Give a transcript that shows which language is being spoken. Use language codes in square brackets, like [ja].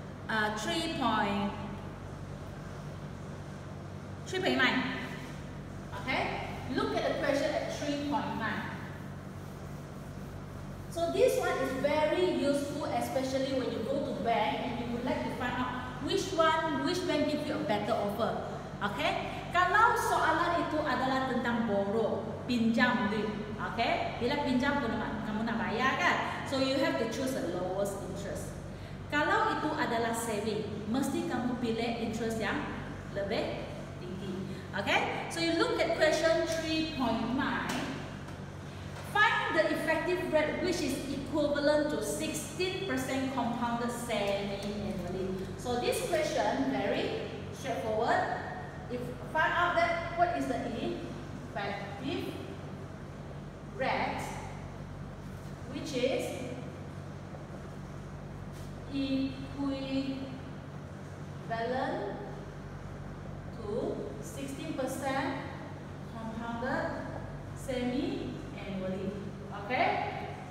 [en] Okay? Look at the question at 3.9. So this one is very useful, especially when you go to bank and you would like to find out which bank give you a better offer. Okay? [ms] Kalau soalan itu adalah tentang borrow, pinjam duit. Okay? Bila pinjam kamu nak bayar kan? [en] So you have to choose the lowest interest. [ms] Kalau itu adalah saving, mesti kamu pilih interest yang lebih tinggi. [en] Okay? So you look at question 3.9. Find the effective rate which is equivalent to 16% compounded saving annually. So this question very straightforward. If find out that what is the effective rate, which is equivalent to 16% compounded semi annually. Okay?